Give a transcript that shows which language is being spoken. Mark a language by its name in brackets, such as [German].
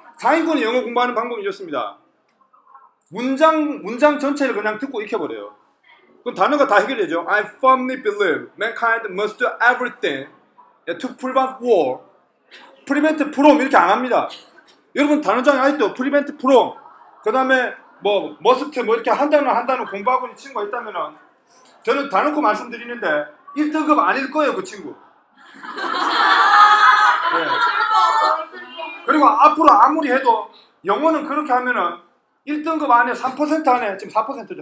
[Korean] 4인분 영어 공부하는 방법이 좋습니다. 문장 전체를 그냥 듣고 익혀버려요. 그럼 단어가 다 해결되죠. [English] I firmly believe mankind must do everything to prevent war. [Korean] Prevent from 이렇게 안 합니다. 여러분 단어장에 아직도 prevent from 그 다음에 뭐 must 뭐 이렇게 한 단어 공부하고 있는 친구가 있다면 저는 다 놓고 말씀드리는데 1등급 아닐 거예요 그 친구. 네. 그리고 앞으로 아무리 해도 영어는 그렇게 하면은 1등급 안에 3% 안에 지금 4%죠.